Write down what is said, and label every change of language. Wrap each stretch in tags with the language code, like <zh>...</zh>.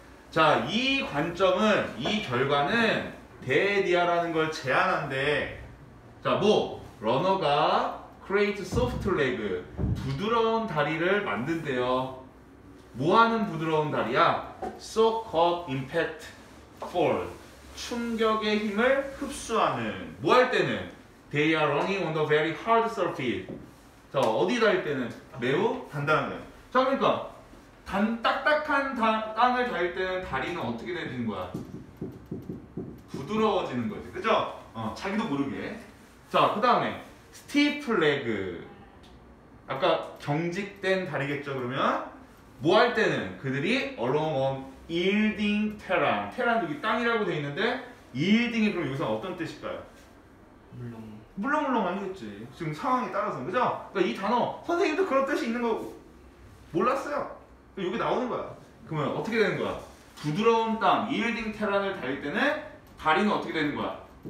<ko>자, 이 관점은 이 결과는 데디아라는 걸 제안한대. 자, 뭐? 러너가 create soft leg 부드러운 다리를 만든대요. 뭐하는 부드러운 다리야? So-called impact fall 충격의 힘을 흡수하는 뭐 할 때는?</ko> <en>They are running on the very hard surface.</en> <ko>자, 어디 달릴 때는? 매우 단단한 거야. 자, 그러니까 딱딱한 땅을 달릴 때는 다리는 어떻게 되는 거야? 부드러워지는 거지, 그죠? 자기도 모르게. 자, 그 다음에 stiff leg 아까 경직된 다리겠죠, 그러면? 뭐 할 때는?</ko> <en>그들이 along on yielding terrain.</en> <ko>terrain 여기 땅이라고 돼 있는데 yielding이 그럼 여기서 어떤 뜻일까요? 물렁물렁 아니겠지. 지금 상황에 따라서, 그죠? 그러니까 이 단어 선생님도 그런 뜻이 있는 거 몰랐어요. 여기 나오는 거야. 그러면 어떻게 되는 거야? 부드러운 땅 yielding terrain 을 달릴 때는 다리는 어떻게 되는 거야?</ko>